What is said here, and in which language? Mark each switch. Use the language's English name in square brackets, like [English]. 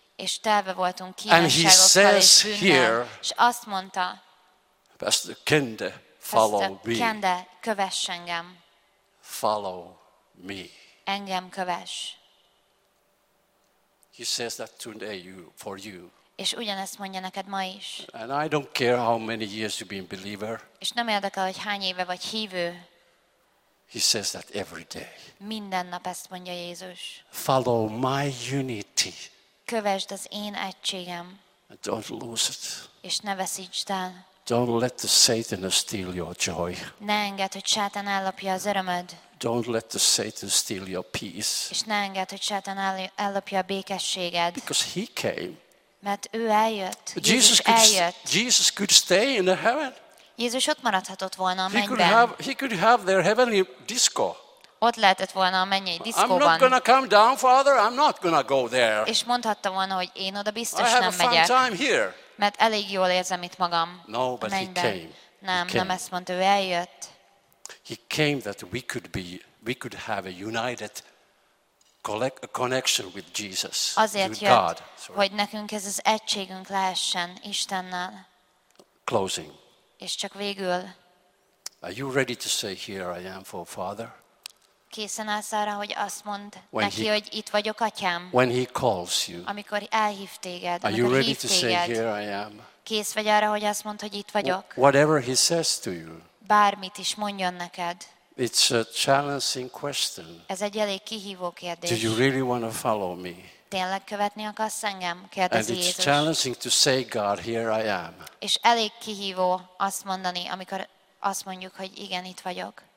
[Hungarian] És telve voltunk kívánságokkal és bűnnel. És azt mondta. [English] Pastor Kende, follow me. [Hungarian] Kende, kövess engem. [English] Follow me. [Hungarian] Engem kövess. [English] He says that today you, for you. [Hungarian] És ugyanezt mondja neked ma is. [English] And I don't care how many years you've been believer. [Hungarian] És nem érdekel, hogy hány éve vagy hívő. [English] He says that every day. [Hungarian] Minden nap ezt mondja Jézus. [English] Follow my unity. [Hungarian] Kövesd az én egységem. [English] And don't lose it. [Hungarian] És ne veszítsd el. [English] Don't let the Satan steal your joy. [Hungarian] Ne engedd, hogy Sátán ellopja az örömöd. [English] Don't let the Satan steal your peace. [Hungarian] És ne engedd, hogy Sátán ellopja a békességed. [English] Because he came. [Hungarian] Mert ő eljött. Jézus eljött. [English] Jesus could stay in the heaven. [Hungarian] Jézus ott maradhatott volna a mennyben. [English] He could have their heavenly disco. [Hungarian] Ott lehetett volna a mennyei diszkóban. [English] I'm not gonna come down, Father. I'm not gonna go there. [Hungarian] És mondhatta volna, hogy én oda biztos nem megyek. [English] I have a fun time here. [Hungarian] Mert elég jól érzem itt magam. [English] No, but he came. [Hungarian] Nem ezt mondta, ő eljött. [English] He came that we could have a united connection with Jesus. [Hungarian] Azért [English] with God. [Hungarian] Jött, hogy nekünk ez az egységünk lehessen Istennel. [English] Closing. [Hungarian] És csak végül. [English] Are you ready to say here I am for Father? [Hungarian] készen állsz arra, hogy azt mond neki, hogy itt vagyok, atyám. [English] When he calls you. [Hungarian] Amikor elhív téged. [English] Are you ready to say, here I am? [Hungarian] Kész vagy arra, hogy azt mond, hogy itt vagyok. [English] Whatever he says to you. [Hungarian] Bármit is mondjon neked. [English] It's a challenging question. [Hungarian] Ez egy elég kihívó kérdés. [English] Do you really want to follow me? [Hungarian] Tényleg követni akarsz engem? Kérdezi [English] Jézus. And it's challenging to say, God, here I am. [Hungarian] És elég kihívó azt mondani, amikor azt mondjuk, hogy igen, itt vagyok.